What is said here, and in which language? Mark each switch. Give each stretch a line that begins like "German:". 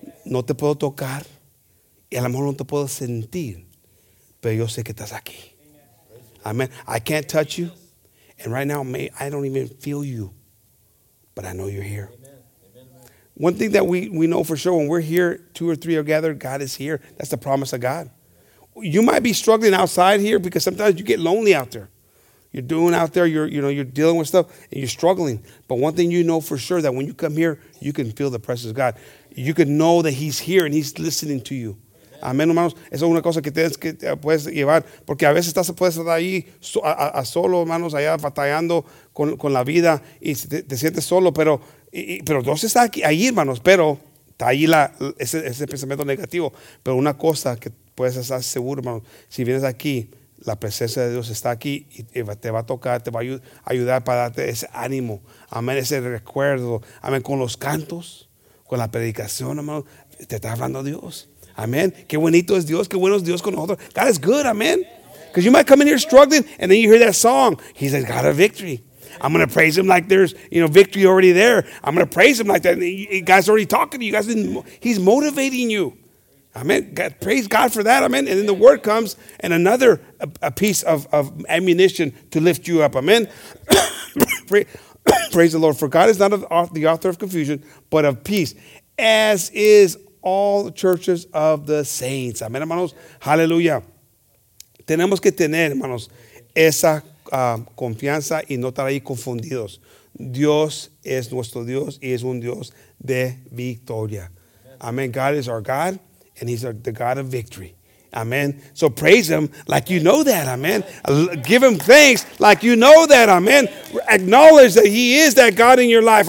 Spanish: No te puedo tocar. Y a lo mejor no te puedo sentir. Pero yo sé que estás aquí.
English: Amén. I can't touch you. And right now, I don't even feel you. But I know you're here. Amen. One thing that we know for sure, when we're here, two or three are gathered, God is here. That's the promise of God. You might be struggling outside here because sometimes you get lonely out there. You're doing out there, you're dealing with stuff, and you're struggling. But one thing you know for sure, that when you come here, you can feel the presence of God. You can know that he's here and he's listening to you.
Spanish: Amén, hermanos. Eso es una cosa que tienes que puedes llevar. Porque a veces estás puedes estar ahí a solo, hermanos, allá batallando con la vida y te sientes solo. Pero Dios está aquí, ahí, hermanos. Pero está ahí ese pensamiento negativo. Pero una cosa que puedes estar seguro, hermanos, si vienes aquí, la presencia de Dios está aquí y te va a tocar, te va a ayudar para darte ese ánimo. Amén, ese recuerdo. Amén, con los cantos, con la predicación, hermanos, te está hablando Dios. Amen. Qué bonito es Dios. Qué bueno es Dios con nosotros.
English: God is good. Amen. Because you might come in here struggling and then you hear that song. He's a God of victory. I'm going to praise him like there's, you know, victory already there. I'm going to praise him like that. God's already talking to you. He's motivating you. Amen. God, praise God for that. Amen. And then the word comes and another a piece of ammunition to lift you up. Amen. Praise the Lord. For God is not the author of confusion, but of peace, as is all the churches of the saints.
Spanish: Amén, hermanos. Hallelujah. Tenemos que tener, hermanos, esa confianza y no estar ahí confundidos. Dios es nuestro Dios y es un Dios de victoria. Amén.
English: God is our God and he's the God of victory. Amén. So praise him like you know that. Amén. Give him thanks like you know that. Amén. Acknowledge that he is that God in your life.